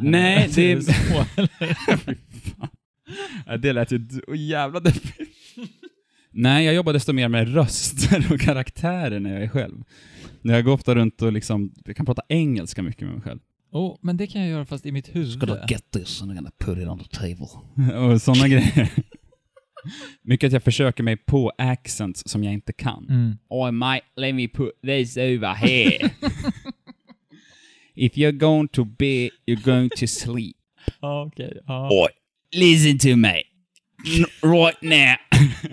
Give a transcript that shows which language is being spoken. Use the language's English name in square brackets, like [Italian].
[Swedish] Nej, eller, det... Är så, det lät ju jävla deppigt. Nej, jag jobbar desto mer med röster och karaktärer när jag är själv. När jag går ofta runt och liksom, jag kan prata engelska mycket med mig själv. Oh, men det kan jag göra fast i mitt huvud. Ska du [English] get this and I'm gonna put it on the table. [Swedish] Och sådana grejer. Mycket att jag försöker mig på accents som jag inte kan. Mm. [English] Oh, mate, let me put this over here. If you're going to bed, you're going to sleep. [Swedish] Okej. [English] Okay. Listen to me. Right now.